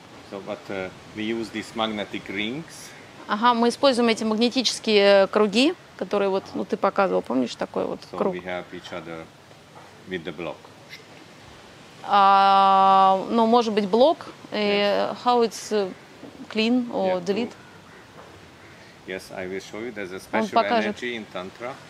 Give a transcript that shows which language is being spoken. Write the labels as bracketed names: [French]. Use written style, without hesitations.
[English] So, but we use these magnetic rings. [Russian] Ага, мы используем эти магнетические круги, которые вот, ну, ты показывал, помнишь, такой вот [English] so [Russian] круг. [English] So we help each other with the block. [Russian] Ну, может быть, блок. Yes. [English] How it's clean or delete? Yes, I will show you. There's a special energy in tantra.